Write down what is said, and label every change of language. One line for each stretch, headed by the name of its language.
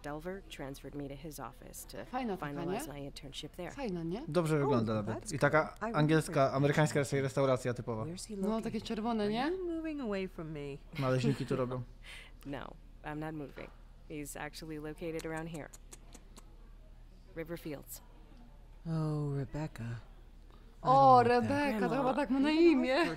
English: Delver, transferred me to his office to finalize my internship there.
Polish: Fajna, nie? Dobrze wygląda nawet. I taka angielska, amerykańska restauracja typowa. No, takie czerwone, nie? Naleźniki to robią.
English: No, I'm not moving. He's actually located around here. River Fields. Oh, Rebecca.
Polish: O, Rebecca, to chyba tak ma na imię.